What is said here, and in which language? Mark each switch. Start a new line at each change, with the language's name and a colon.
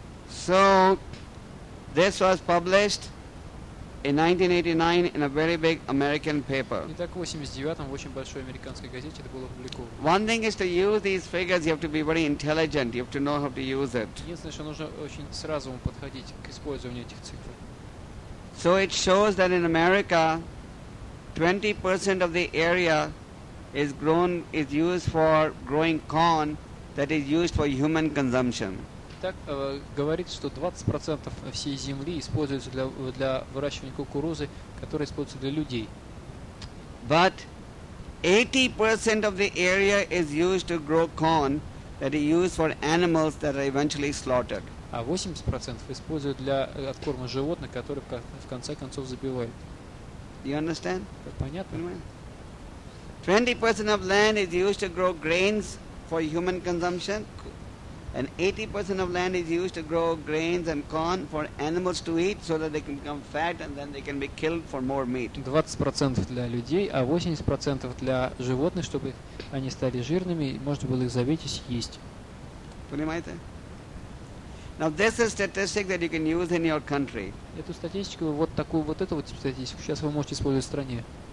English: So, this was published in 1989 in a very big American paper.
Russian: Итак, в 89-м в очень большой американской газете это было опубликовано.
English: One thing is to use these figures, you have to be very intelligent, you have to know how to use it.
Russian: Единственное, что нужно очень сразу подходить к использованию этих цифр.
English: So it shows that in America, 20% of the area is used for growing corn that is used for human consumption.
Russian: Так говорит, что 20% всей земли используется для выращивания кукурузы, которая используется для людей.
English: But 80% of the area is used to grow corn that is used for animals that are eventually slaughtered.
Russian: А 80% используют для откорма животных, которые в конце концов забивают.
English: You understand?
Russian: Понятно.
English: 20% of land is used to grow grains for human consumption, and 80% of land is used to grow grains and corn for animals to eat, so that they can become fat and then they can be killed for more meat.
Russian: 20% для людей, а 80% для животных, чтобы они стали жирными и можно было их забить и съесть. Понимаете?
English: Now this is a statistic that you can use in your country.
Russian: Эту статистику вот такую вот эту вот статистику сейчас вы можете использовать в стране.